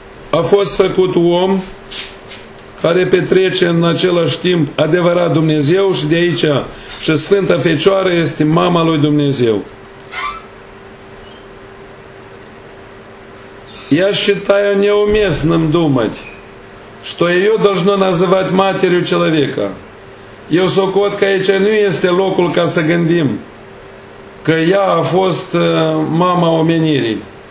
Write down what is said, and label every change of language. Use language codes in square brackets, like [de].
[ro] a fost făcut om care petrece în același timp adevărat Dumnezeu și de aici și Sfânta Fecioară este mama lui Dumnezeu. [ru] Я считаю неуместным думать, что ее должно называть матерью человека. [ro] Eu socot că aici nu este locul ca să gândim că ea a fost mama omenirii.